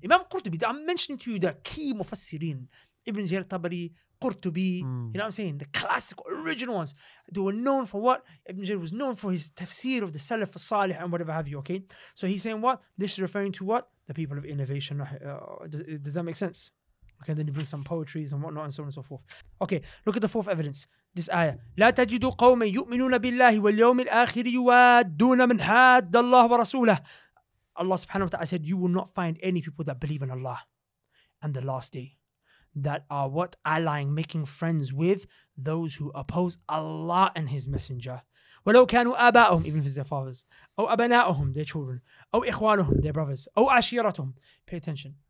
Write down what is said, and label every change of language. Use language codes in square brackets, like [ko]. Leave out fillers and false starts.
[en] Imam Qurtubi, I'm mentioning to you the key mufassirin, Ibn Jarir al-Tabari, Qurtubi, you know what I'm saying? The classic, original ones. They were known for what? Ibn Jarir was known for his tafsir of the Salaf al-Salih and whatever have you, okay? So he's saying what? This is referring to what? The people of innovation. Does that make sense? Okay, then you bring some poetries and whatnot and so on and so forth. Okay, look at the fourth evidence. This ayah. [ar] لا تجد قوما يؤمنون بالله واليوم الآخر يوادون من حاد الله ورسوله. [en] Allah subhanahu wa ta'ala said, you will not find any people that believe in Allah and the last day that are what? Allying, making friends with those who oppose Allah and His Messenger. [ar] ولو كانوا آباءهم, [en] even if it's their fathers, [ar] أو أبناءهم, [en] their children, [ar] أو إخوانهم, [en] their brothers, [ar] أو عشيرتهم. [en] Pay attention.